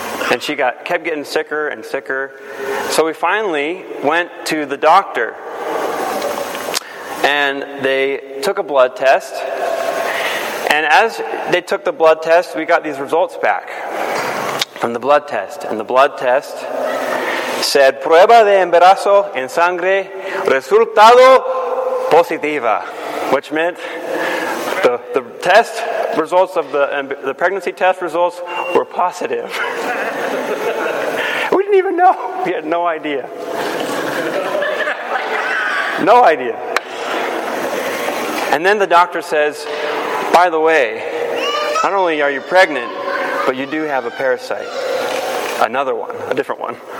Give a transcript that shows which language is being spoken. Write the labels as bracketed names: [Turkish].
[English] And she kept getting sicker and sicker. So we finally went to the doctor. And they took a blood test. And as they took the blood test, we got these results back from the blood test. And the blood test said, [Spanish] prueba de embarazo en sangre, resultado positiva. [English] Which meant the test results of the pregnancy test results were positive. We didn't even know. We had no idea. No idea. And then the doctor says, by the way, not only are you pregnant, but you do have a parasite. Another one. A different one.